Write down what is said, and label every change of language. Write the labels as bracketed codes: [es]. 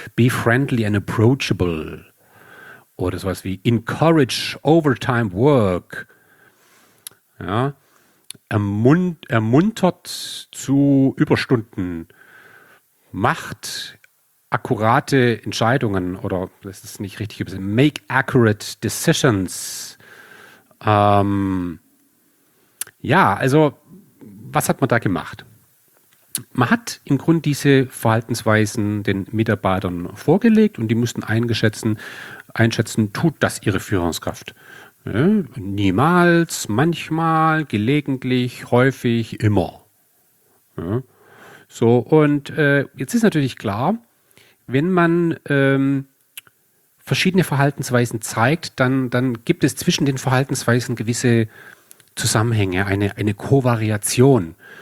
[en] Be friendly and approachable. [de] Oder sowas wie [en] encourage overtime work. [de] Ja. Ermuntert zu Überstunden. Macht akkurate Entscheidungen. Oder das ist nicht richtig übersetzt. [en] Make accurate decisions. [de] Ja, also was hat man da gemacht? Man hat im Grunde diese Verhaltensweisen den Mitarbeitern vorgelegt und die mussten einschätzen, tut das ihre Führungskraft? Ja, niemals, manchmal, gelegentlich, häufig, immer. Ja, so, und jetzt ist natürlich klar, wenn man verschiedene Verhaltensweisen zeigt, dann gibt es zwischen den Verhaltensweisen gewisse Zusammenhänge, eine Kovariation.